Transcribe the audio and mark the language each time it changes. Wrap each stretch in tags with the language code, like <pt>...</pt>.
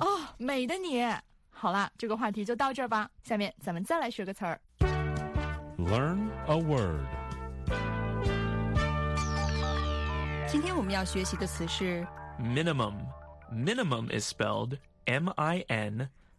<zh>Oh, 美的你。好了，这个话题就到这儿吧。下面咱们再来学个词儿。</zh> <en>Learn a word.</en> <zh>今天我们要学习的词是</zh> <en>Minimum. Minimum is spelled M-I-N-I-M-U-M.</en>